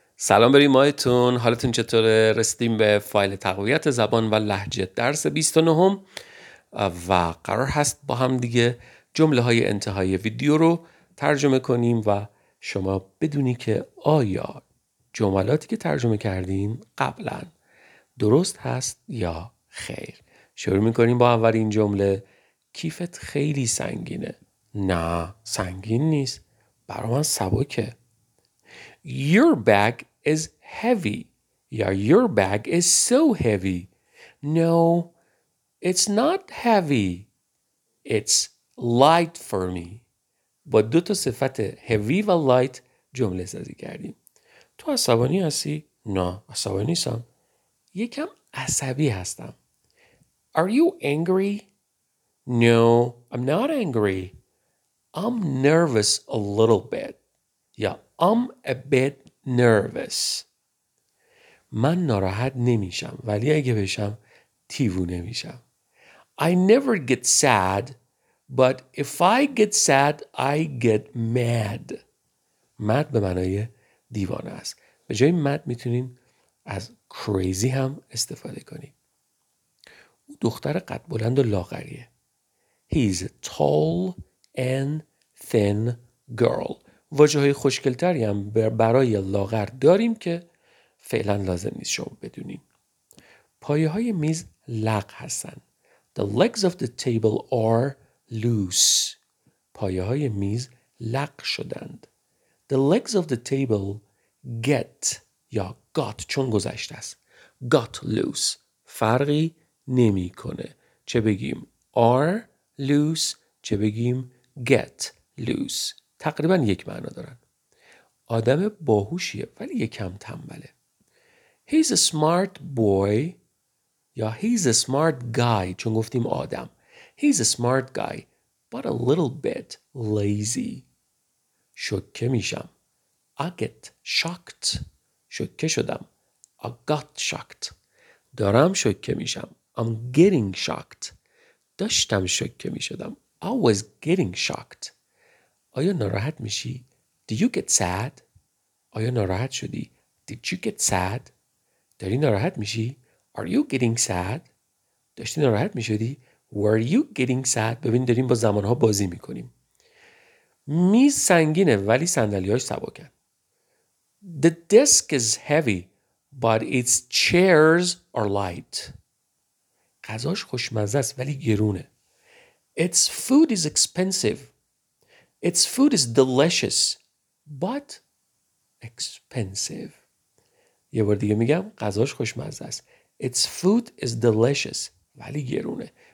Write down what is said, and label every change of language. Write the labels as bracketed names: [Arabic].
[Persian] سلام بریم مایتون، حالتون چطوره؟ رسیدیم به فایل تقویت زبان و لهجه درس 29 و قرار هست با هم دیگه جمله های انتهای ویدیو رو ترجمه کنیم و شما بدونی که آیا جملاتی که ترجمه کردین قبلا درست هست یا خیر. شروع میکنیم با اولین جمله. کیفت خیلی سنگینه. نه سنگین نیست، برای من سبکه. [English] Your bag is heavy. Yeah, your bag is so heavy. No, it's not heavy. It's light for me. [Persian] با دو تا صفت heavy و light جمله سازی کردیم. تو عصبانی هستی؟ نه، عصبانی نیستم. یکم عصبی هستم. [English] Are you angry? No, I'm not angry. I'm nervous a little bit. Yeah. I'm a bit nervous. [Persian] من ناراحت نمیشم ولی اگه بشم تیوونه میشم. [English] I never get sad, but if I get sad, I get mad. [Persian] مد به معنای دیوانه است. به جای مد میتونیم از crazy هم استفاده کنیم. او دختر قد بلند و لاغریه. [English] He's a tall and thin girl. [Persian] واژه های خوشگلتری هم برای لاغر داریم که فعلا لازم نیست شما بدونین. پایه های میز لق هستن. [English] The legs of the table are loose. [Persian] پایه های میز لق شدند. [English] The legs of the table get [Persian] یا [English] got [Persian] چون گذشته است. [English] Got loose. [Persian] فرقی نمی کنه. چه بگیم [English] are loose [Persian] چه بگیم [English] get loose. [Persian] تقریبا یک معنا دارن. آدم باهوشیه ولی یکم تنبله. He's a smart boy یا he's a smart guy چون گفتیم آدم. [English] He's a smart guy but a little bit lazy. [Persian] شوکه میشم. [English] I get shocked. [Persian] شوکه شدم. [English] I got shocked. [Persian] دارم شوکه میشم. [English] I'm getting shocked. [Persian] داشتم شوکه میشدم. [English] I was getting shocked. [Persian] آیا ناراحت میشی؟ [English] Do you get sad? [Persian] آیا ناراحت شدی؟ [English] Did you get sad? [Persian] داری ناراحت میشی؟ [English] Are you getting sad? [Persian] داشتی ناراحت میشدی؟ [English] Were you getting sad? [Persian] ببین داریم با زمانها بازی میکنیم. میز سنگینه ولی صندلی‌هاش سبکن. [English] The desk is heavy, but its chairs are light. [Persian] غذاش خوشمزه است ولی گرونه. [English] Its food is expensive. Its food is delicious, but expensive. [Persian] یه بار دیگه میگم، غذاش خوشمزه است. [English] Its food is delicious, [Persian] ولی گرونه.